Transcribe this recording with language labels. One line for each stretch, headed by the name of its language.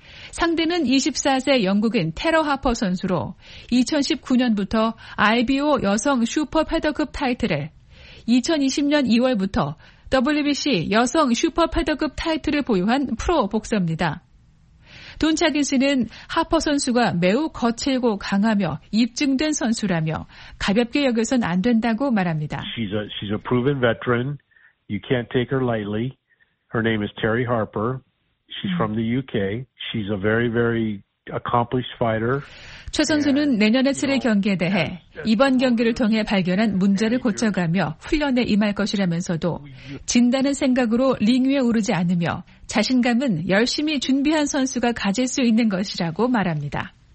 Korean: 상대는 24세 영국인 테러 하퍼 선수로 2019년부터 IBO 여성 슈퍼 패더급 타이틀을, 2020년 2월부터 WBC 여성 슈퍼 패더급 타이틀을 보유한 프로 복서입니다. 돈 차긴 씨는 하퍼 선수가 매우 거칠고 강하며 입증된 선수라며 가볍게 여겨선 안 된다고 말합니다.
English: She's a proven veteran. You can't take her lightly. Her name is Terry Harper. She's from the UK. She's a very, very accomplished fighter.
Korean: 최 선수는 내년에 치를 경기에 대해 이번 경기를 통해 발견한 문제를 고쳐가며 훈련에 임할 것이라면서도 진다는 생각으로 링 위에 오르지 않으며 자신감은 열심히 준비한 선수가 가질 수 있는 것이라고 말합니다.